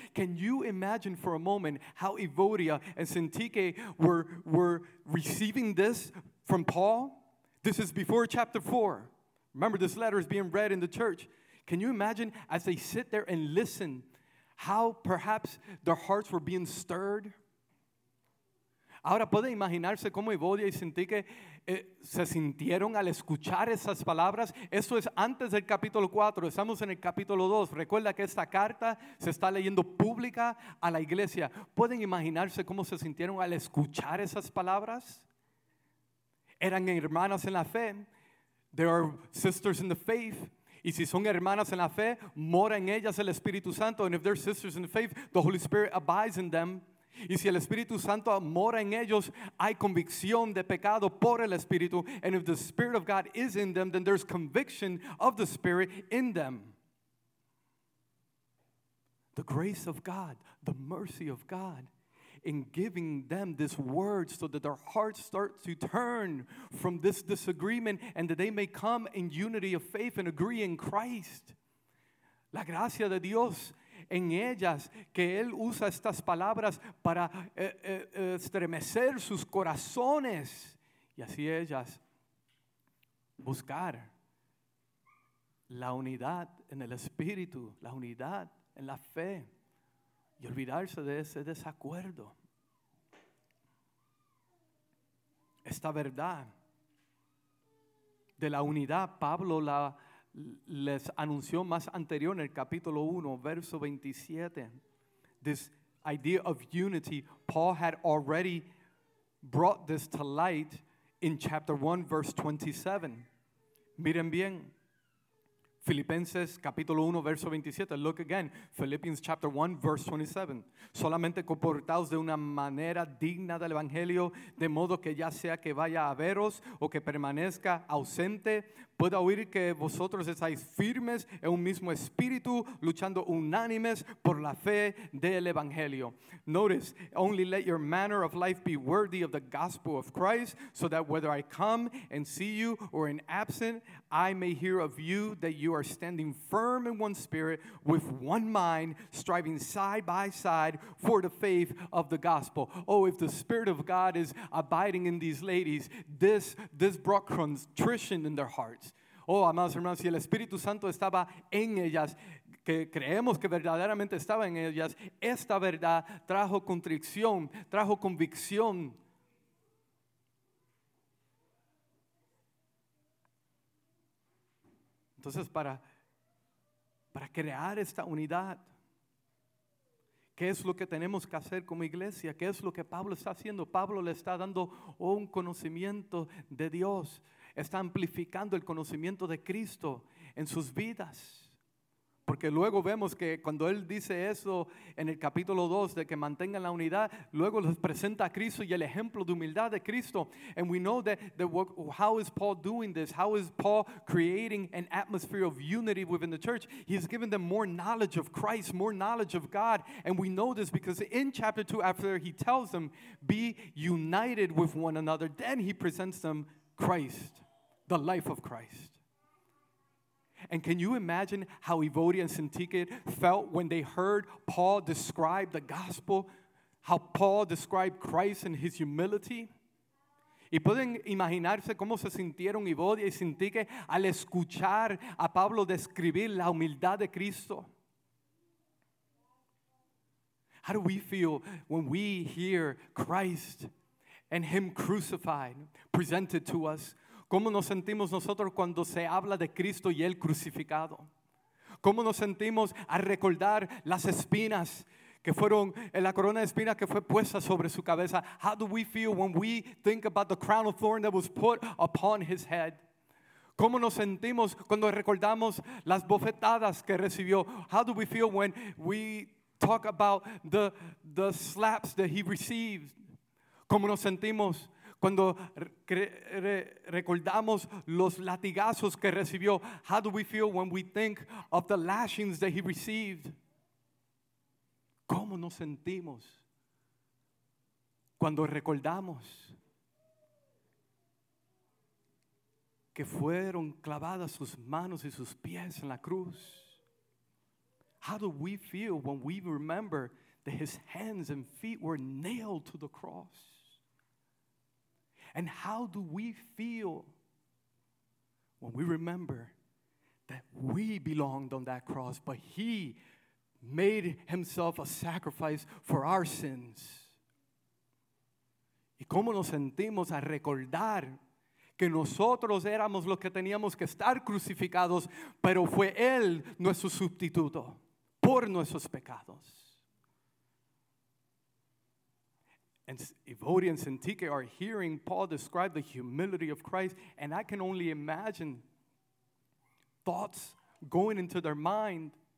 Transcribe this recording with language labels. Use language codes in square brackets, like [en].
[en] Can you imagine for a moment how Evodia and Syntyche were receiving this from Paul? This is before chapter 4. Remember, this letter is being read in the church. Can you imagine as they sit there and listen how perhaps their hearts were being stirred? [es] Ahora puede imaginarse cómo Evodia y Syntyche se sintieron al escuchar esas palabras. Eso es antes del capítulo 4, estamos en el capítulo 2. Recuerda que esta carta se está leyendo pública a la iglesia. ¿Pueden imaginarse cómo se sintieron al escuchar esas palabras? Eran hermanas en la fe. [en] They are sisters in the faith. [es] Y si son hermanas en la fe, mora en ellas el Espíritu Santo. [en] And if they're sisters in the faith, the Holy Spirit abides in them. [es] Y si el Espíritu Santo mora en ellos, hay convicción de pecado por el Espíritu. [en] And if the Spirit of God is in them, then there's conviction of the Spirit in them. The grace of God, the mercy of God, in giving them this word so that their hearts start to turn from this disagreement and that they may come in unity of faith and agree in Christ. [es] La gracia de Dios en ellas, que Él usa estas palabras para estremecer sus corazones. Y así ellas buscar la unidad en el Espíritu, la unidad en la fe, y olvidarse de ese desacuerdo. Esta verdad de la unidad, Pablo la les anunció más anterior en el capítulo 1, verso 27. [en] This idea of unity, Paul had already brought this to light in chapter 1, verse 27. [es] Miren bien, Filipenses capítulo 1, verso 27. [en] Look again, Philippians chapter 1, verse 27. [es] Solamente comportaos de una manera digna del evangelio, de modo que ya sea que vaya a veros o que permanezca ausente, pueda oír que vosotros estáis firmes en un mismo espíritu, luchando unánimes por la fe del evangelio. [en] Notice, only let your manner of life be worthy of the gospel of Christ, so that whether I come and see you or in absent, I may hear of you that you are standing firm in one spirit, with one mind, striving side by side for the faith of the gospel. Oh, if the Spirit of God is abiding in these ladies, this brought contrition in their hearts. [es] Oh, amados hermanos, si el Espíritu Santo estaba en ellas, que creemos que verdaderamente estaba en ellas, esta verdad trajo contrición, trajo convicción. Entonces, para crear esta unidad, ¿qué es lo que tenemos que hacer como iglesia? ¿Qué es lo que Pablo está haciendo? Pablo le está dando un conocimiento de Dios. Está amplificando el conocimiento de Cristo en sus vidas. Porque luego vemos que cuando Él dice eso en el capítulo 2, de que mantengan la unidad, luego les presenta a Cristo y el ejemplo de humildad de Cristo. [en] And we know how is Paul doing this? How is Paul creating an atmosphere of unity within the church? He's given them more knowledge of Christ, more knowledge of God. And we know this because in chapter 2, after he tells them, be united with one another, then he presents them Christ, the life of Christ. And can you imagine how Evodia and Syntyche felt when they heard Paul describe the gospel, how Paul described Christ and his humility? [es] ¿Y pueden imaginarse cómo se sintieron Evodia y Syntyche al escuchar a Pablo describir la humildad de Cristo? [en] How do we feel when we hear Christ and him crucified, presented to us? [es] ¿Cómo nos sentimos nosotros cuando se habla de Cristo y el crucificado? ¿Cómo nos sentimos al recordar las espinas que fueron, la corona de espinas que fue puesta sobre su cabeza? [en] How do we feel when we think about the crown of thorns that was put upon his head? [es] ¿Cómo nos sentimos cuando recordamos las bofetadas que recibió? [en] How do we feel when we talk about the slaps that he received. [es] ¿Cómo nos sentimos cuando recordamos los latigazos que recibió? [en] How do we feel when we think of the lashings that he received? [es] ¿Cómo nos sentimos cuando recordamos que fueron clavadas sus manos y sus pies en la cruz? [en] How do we feel when we remember that his hands and feet were nailed to the cross? And how do we feel when we remember that we belonged on that cross, but he made himself a sacrifice for our sins? [es] ¿Y cómo nos sentimos al recordar que nosotros éramos los que teníamos que estar crucificados, pero fue él nuestro sustituto por nuestros pecados? [en] And Evodia and Syntyche are hearing Paul describe the humility of Christ, and I can only imagine thoughts going into their mind.